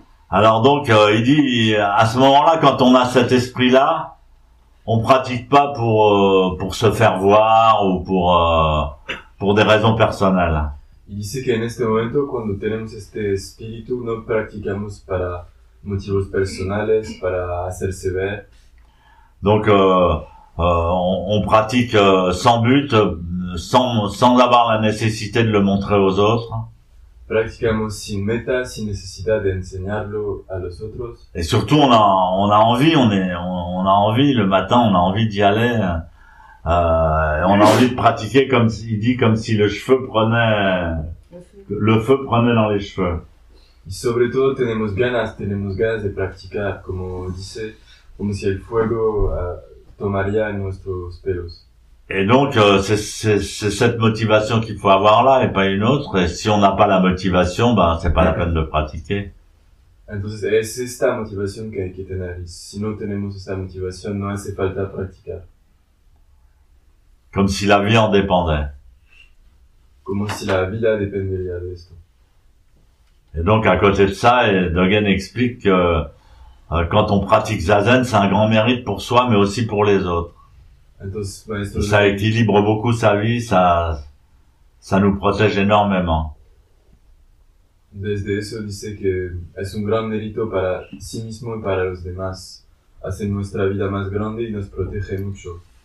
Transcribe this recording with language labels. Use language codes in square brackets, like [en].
[fr] Alors donc, il dit, à ce moment-là, quand on a cet esprit-là, on pratique pas pour se faire voir ou pour des raisons personnelles. Il dit que [es] en este momento, cuando tenemos este espíritu, no practicamos para motivos personales, para hacerse ver. [fr] Donc, on pratique sans but, sans avoir la nécessité de le montrer aux autres. [es] Practicamos sin meta, sin necesidad de enseñarlo a los otros. [fr] Et surtout, on a envie, on a envie, le matin, on a envie d'y aller, on a envie de pratiquer comme il dit, comme si le feu prenait dans les cheveux. [es] Y sobre todo tenemos ganas de practicar, como dice, como si el fuego tomaría en nuestros pelos. [fr] Et donc, c'est cette motivation qu'il faut avoir là et pas une autre. Et si on n'a pas la motivation, ben, c'est pas la peine de pratiquer. [es] Entonces es esta motivación que hay que tener. Y si no tenemos esta motivación, no hace falta practicar. [fr] Comme si la vie en dépendait. [es] Como si la vida dependería de esto. [fr] Et donc, à côté de ça, Dogen explique que quand on pratique Zazen, c'est un grand mérite pour soi, mais aussi pour les autres. [es] Entonces, Maestro [fr] Ça [es] Dogen. [fr] équilibre beaucoup sa vie, ça nous protège énormément. [es] Desde eso dice que es un gran mérito para sí mismo y para los demás. Hace nuestra vida más grande y nos protege mucho.